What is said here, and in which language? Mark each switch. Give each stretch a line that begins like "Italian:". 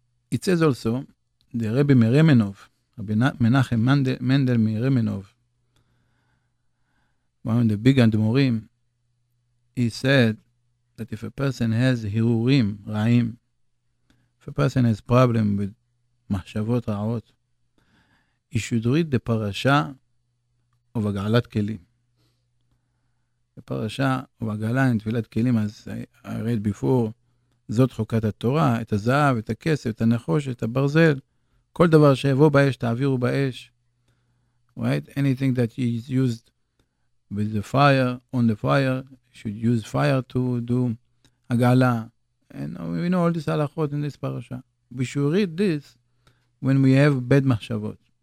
English: It says also, the Rebbe Meremenov, Rabbi Menachem Mendel Meremenov, one of the big Admorim, he said that if a person has
Hebrew: hirurim, ra'im,
English: if a person has problem with
Hebrew: mahshavot ra'ot,
English: he should read the parasha of Agalat Kelim. The parasha of Agalat and Tefilat Kelim, as I read before,
Hebrew: זאת חוקת התורה, את הזהב, את הכסף, את הנחוש, את הברזל, כל דבר שיבוא באש, תעבירו באש.
English: Right? Anything that is used with the fire, on the fire, should use fire to do הגעלה. And we know all this הלכות in this parasha. We should read this when we have bad מחשבות.